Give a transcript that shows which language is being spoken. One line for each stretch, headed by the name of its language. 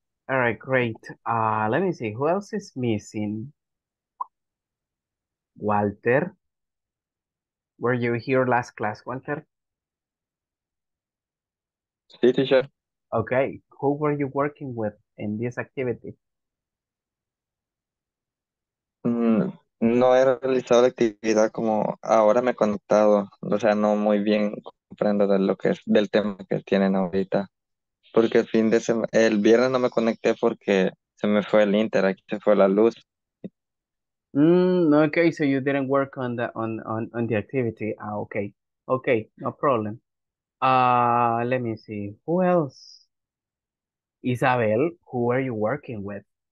English: All right, great. Let me see. Who else is missing? Walter? Were you here last class, Walter?
Spanish: Sí, teacher.
English: Okay. Who were you working with in this activity?
Spanish: No he realizado la actividad como ahora me he conectado. O sea, no muy bien comprendo de lo que es, del tema que tienen ahorita. Porque el viernes no me conecté porque se me fue el inter, aquí se fue la luz.
English: Okay, so you didn't work on the on the activity. Ah, okay. Okay, no problem. Let me see. Who else? Isabel, who are you working with?